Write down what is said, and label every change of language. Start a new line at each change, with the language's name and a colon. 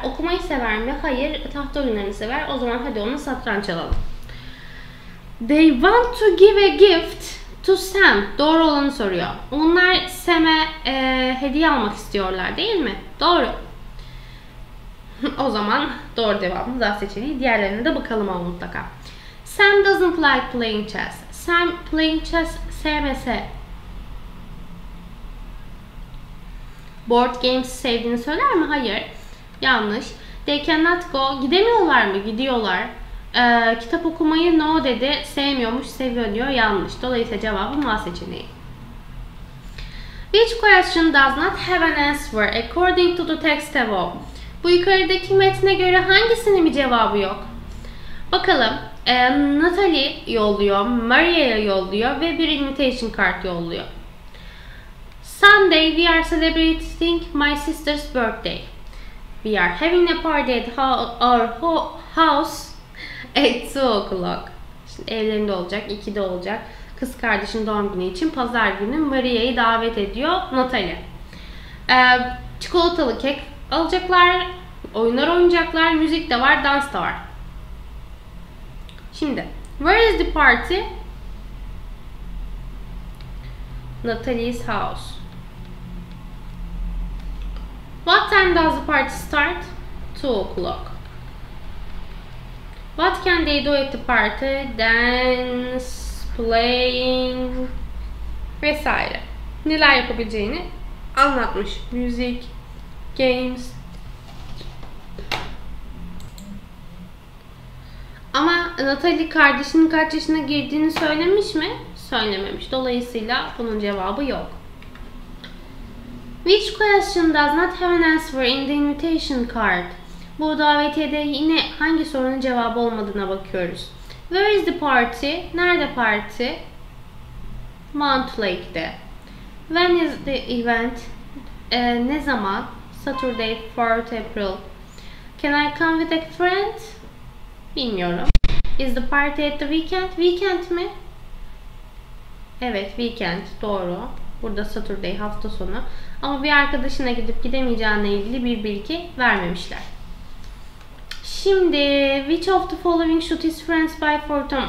Turkish: Okumayı sever mi? Hayır, tahta oyunlarını sever. O zaman hadi ona satranç alalım.
English: They want to give a gift to Sam.
Turkish: Doğru olanı soruyor. Onlar Sam'e hediye almak istiyorlar, değil mi? Doğru. O zaman doğru cevabını daha seçeneği. Diğerlerine de bakalım ama mutlaka.
English: Sam doesn't like playing chess. Sam playing chess
Turkish: sevmese... Board games sevdiğini söyler mi? Hayır. Yanlış.
English: They cannot go.
Turkish: Gidemiyorlar mı? Gidiyorlar. Kitap okumayı no dedi. Sevmiyormuş, seviyor diyor. Yanlış. Dolayısıyla cevabım A seçeneği.
English: Which question does not have an answer according to the text above?
Turkish: Bu yukarıdaki metne göre hangisinin bir cevabı yok? Bakalım. Natalie yolluyor, Maria'ya yolluyor ve bir invitation card yolluyor.
English: Sunday we are celebrating my sister's birthday. We are having a party at our house at 2 o'clock.
Turkish: Şimdi evlerinde olacak, 2'de olacak. Kız kardeşin doğum günü için pazar günü Maria'yı davet ediyor Natalie. Çikolatalı kek alacaklar, oyunlar oynayacaklar, müzik de var, dans da var.
English: Şimdi, where is the party? Natalie's house. What time does the party start? 2 o'clock. What can they do at the party? Dance, playing, vesaire.
Turkish: Neler yapabileceğini anlatmış. Müzik, games. Ama Natalie kardeşinin kaç yaşına girdiğini söylemiş mi? Söylememiş. Dolayısıyla bunun cevabı yok.
English: Which question does not have an answer in the invitation card?
Turkish: Bu davetiyede yine hangi sorunun cevabı olmadığına bakıyoruz.
English: Where is the party?
Turkish: Nerede parti?
English: Mount Lake'de. When is the event?
Turkish: Ne zaman?
English: Saturday, 4 April. Can I come with a friend?
Turkish: Bilmiyorum.
English: Is the party at the weekend?
Turkish: Weekend mi? Evet, weekend. Doğru. Burada Saturday, hafta sonu. Ama bir arkadaşına gidip gidemeyeceğine ilgili bir bilgi vermemişler.
English: Şimdi, which of the following should his friends buy for Tom?